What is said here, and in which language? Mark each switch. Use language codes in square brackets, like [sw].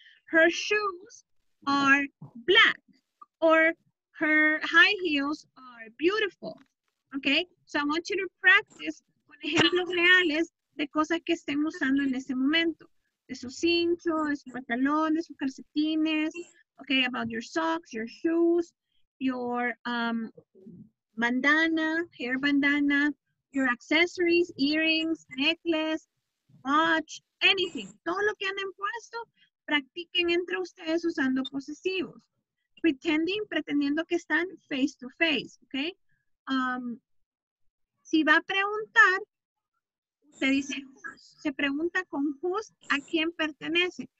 [en] Her shoes are black. Or her high heels are beautiful. [es] Okay, so I want you to practice con ejemplos reales de cosas que estén usando en ese momento. De su cincho, de su pantalón, de sus calcetines. [en] Okay, about your socks, your shoes, your bandana, hair bandana, your accessories, earrings, necklace, watch, anything. [es] Todo lo que han puesto, practiquen entre ustedes usando posesivos. [en] Pretending, pretendiendo que están face to face, okay? [es] Si va a preguntar, usted dice, se pregunta con whose, a quién pertenece.